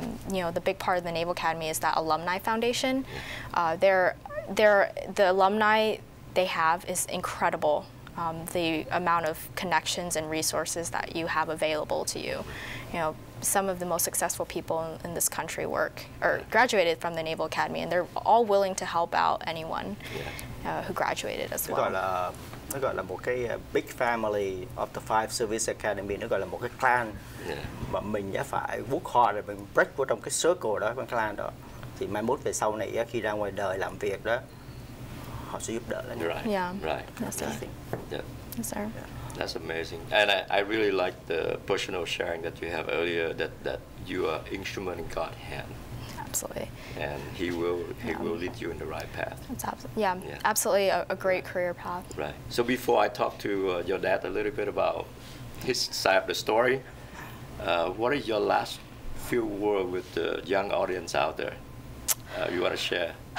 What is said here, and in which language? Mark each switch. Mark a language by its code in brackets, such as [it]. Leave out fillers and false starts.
[en] You know, the big part of the Naval Academy is that alumni foundation. The alumni they have is incredible. The amount of connections and resources that you have available to you. You know, some of the most successful people in this country work or graduated from the Naval Academy, and they're all willing to help out anyone who graduated as well. [vi] Nó gọi là một cái [en] big family of the five service academy, [vi] nó gọi là một cái clan. Mà mình đã phải [en] work hard [vi] rồi mình break vô trong cái circle đó, cái clan đó. Thì mai mốt về sau này khi ra ngoài đời làm việc đó, họ sẽ giúp đỡ lên. [en] Right. Yeah. Right. That's amazing. Yeah. Yes, sir. Yeah. That's amazing. And I really like the personal sharing that you have earlier, that you are instrument in God's hand. Absolutely. And he will lead you in the right path. That's absolutely a great career path. Right. So before I talk to your dad a little bit about his side of the story, what is your last few words with the young audience out there you want to share?